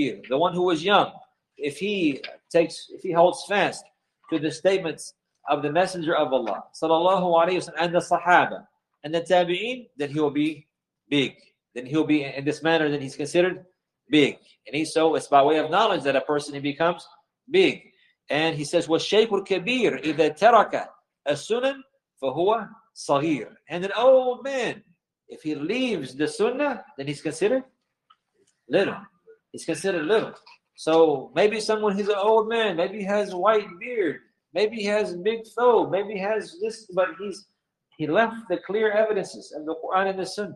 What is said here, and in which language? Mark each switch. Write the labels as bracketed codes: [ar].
[en] The one who was young, if he holds fast to the statements of the Messenger of Allah, sallallahu alayhi wa sallam, and the Sahaba, and the Tabi'een, then he will be big. Then he will be in this manner that he's considered big. And so it's by way of knowledge that a person, he becomes big. And he says, [ar] وَالشَّيْخُ الْكَبِيرُ إِذَا تَرَكَ السُنَنْ فَهُوَ صَغِيرٌ. [en] And an old man, if he leaves the Sunnah, then he's considered little. He's considered little. So maybe someone, he's an old man, maybe he has a white beard, maybe he has big thobe, maybe he has this, but he left the clear evidences of the Quran and the Sunnah.